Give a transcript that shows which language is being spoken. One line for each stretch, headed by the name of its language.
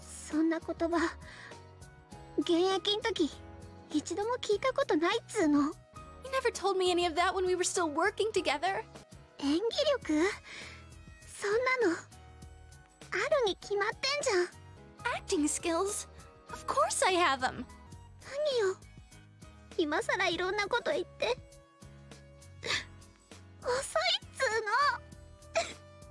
Japanese: そんな言葉、現役ん時、一度も聞いたことないっつーの。
English: He never told me any of that when we were still working together.
Japanese: 演技力？そんなの、あるに決まってんじゃん。
English: Acting skills? Of course I have them.
Japanese: 何よ。今さらいろんなこと言って遅いっつーの。